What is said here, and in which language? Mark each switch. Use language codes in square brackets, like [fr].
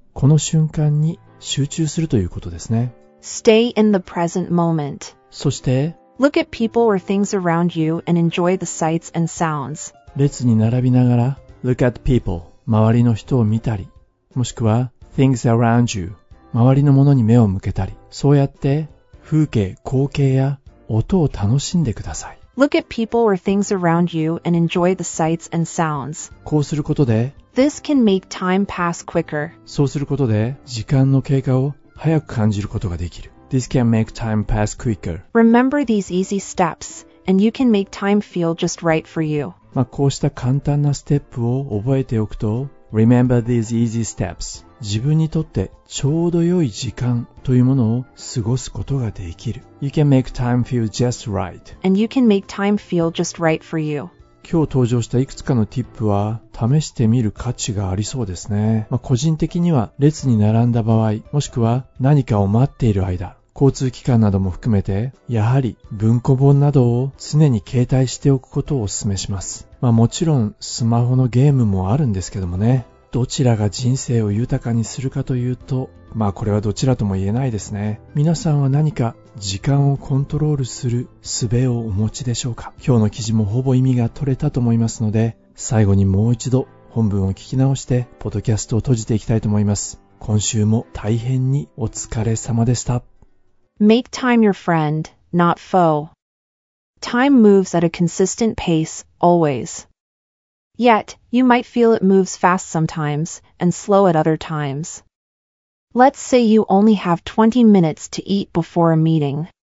[ja] この瞬間に集中するということですね。 [en] Stay in the present moment. [ja] そして、 [en] Look at people or things around you and enjoy the sights and sounds. [ja] 列に並びながら、 [en] Look at people. [ja] 周りの人を見たり、もしくは、 [en] Things around you. [ja] 周りのものに目を向けたり、そうやって、風景、光景や音を楽しんでください。 [en] Look at people or things around you and enjoy the sights and sounds. [ja] こうすることで、 [en] This can make time pass quicker. [ja] そうすることで、時間の経過を早く感じることができる。 [en] This can make time pass quicker. Remember these easy steps, and you can make time feel just right for you. [ja] まあこうした簡単なステップを覚えておくと、 [en] Remember these easy steps. [ja] 自分にとってちょうど良い時間というものを過ごすことができる。 [en] You can make time feel just right. And you can make time feel just right for you. [ja] 今日登場したいくつかのティップは、試してみる価値がありそうですね。まあ、個人的には、列に並んだ場合、もしくは何かを待っている間、交通機関なども含めて、やはり文庫本などを常に携帯しておくことをお勧めします。まあ、もちろん、スマホのゲームもあるんですけどもね。どちらが人生を豊かにするかというと、まあこれはどちらとも言えないですね。皆さんは何か時間をコントロールする術をお持ちでしょうか。今日の記事もほぼ意味が取れたと思いますので、最後にもう一度本文を聞き直してポッドキャストを閉じていきたいと思います。今週も大変にお疲れ様でした。 [en] Make time your friend, not foe. Time moves at a consistent pace, always. Yet, you might feel it moves fast sometimes and slow at other times. Let's say you only have 20 minutes to eat before a meeting.